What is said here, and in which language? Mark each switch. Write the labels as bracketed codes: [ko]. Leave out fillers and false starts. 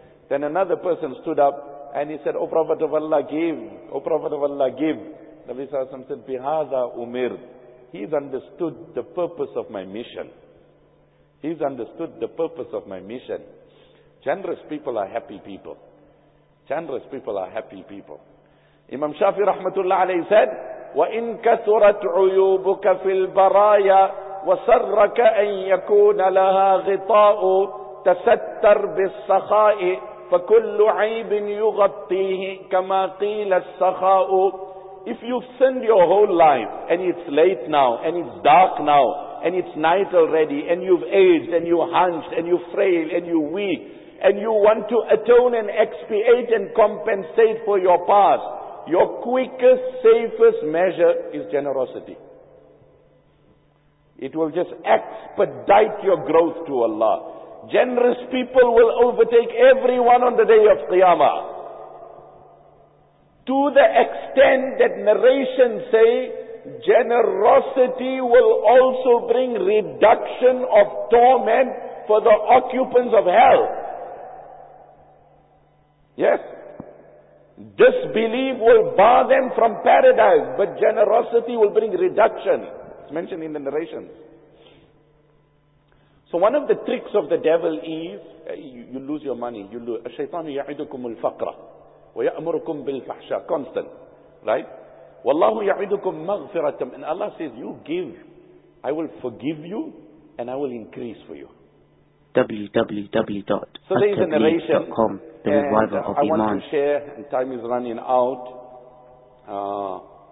[en] Then another person stood up and he said, O Prophet of Allah, give. O Prophet of Allah, give. Nabi Sallallahu Alaihi Wasallam said, Bihada Umir. He's understood the purpose of my mission. He's understood the purpose of my mission. Generous people are happy people. Generous people are happy people. Imam Shafi rahmatullah alayhi said, [ar] وَإِن كَثُرَتْ عُيُوبُكَ فِي الْبَرَايَا وَصَرَّكَ أَن يَكُونَ لَهَا غِطَاءُ تَسَتَّرْ بِالسَّخَاءِ فَكُلُّ عَيْبٍ يُغَطِّيهِ كَمَا قِيلَ السَّخَاءُ. [en] If you've sinned your whole life, and it's late now, and it's dark now, and it's night already, and you've aged, and you're hunched, and you're frail, and you're weak, and you want to atone and expiate and compensate for your past, your quickest, safest measure is generosity. It will just expedite your growth to Allah. Generous people will overtake everyone on the day of Qiyamah. To the extent that narrations say, generosity will also bring reduction of torment for the occupants of hell. Yes. Disbelief will bar them from paradise, but generosity will bring reduction. It's mentioned in the narrations. So one of the tricks of the devil is, you lose your money, you lose. [ar] الشيطان يعدكم الفقر ويأمركم بالفحشاء. [en] Constant. Right? [ar] والله يعدكم مغفرة. [en] And Allah says, you give, I will forgive you and I will increase for you. www.attabli.com. And I want to share, and time is running out.